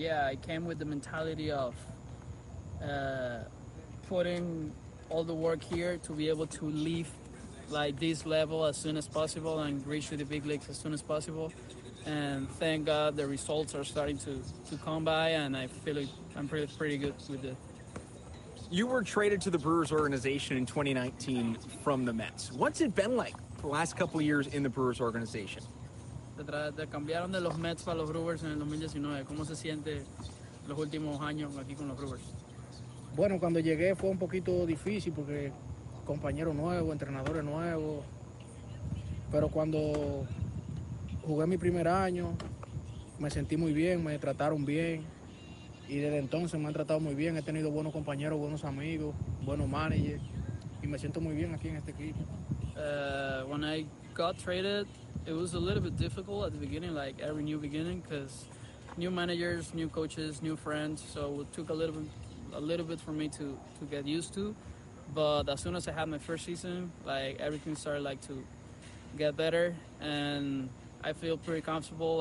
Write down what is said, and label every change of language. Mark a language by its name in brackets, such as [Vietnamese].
[English] I came with the mentality of putting all the work here to be able to leave like this level as soon as possible and reach the big leagues as soon as possible. And thank God the results are starting to come by, and I feel like I'm pretty good with it. You were traded to the Brewers organization in 2019 from the Mets. What's it been like the last couple of years in the Brewers organization? [Spanish] Te cambiaron de los Mets para los Brewers en el 2019. ¿Cómo se siente los últimos años aquí con los Brewers? Bueno, cuando llegué fue un poquito difícil porque compañero nuevo, entrenadores nuevos. Pero cuando jugué mi primer año, me sentí muy bien, me trataron bien. Y desde entonces me han tratado muy bien. He tenido buenos compañeros, buenos amigos, buenos managers. Y me siento muy bien aquí en este equipo. [English] When I got traded, it was a little bit difficult at the beginning, like every new beginning, because new managers, new coaches, new friends. So it took a little bit for me to get used to, but as soon as I had my first season, like, everything started like to get better, and I feel pretty comfortable.